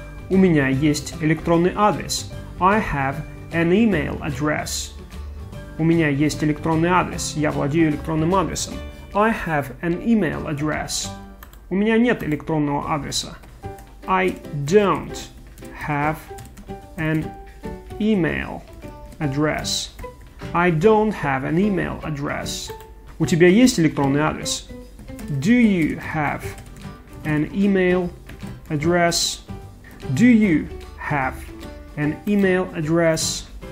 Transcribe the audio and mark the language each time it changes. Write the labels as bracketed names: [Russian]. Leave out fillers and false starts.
[Russian] У меня есть электронный адрес. [English] I have an email address. [Russian] У меня есть электронный адрес. Я владею электронным адресом. [English] I have an email address. [Russian] У меня нет электронного адреса. [English] I don't have an email address. I don't have an email address. [Russian] У тебя есть электронный адрес? [English] Do you have an email address? Do you have an email address?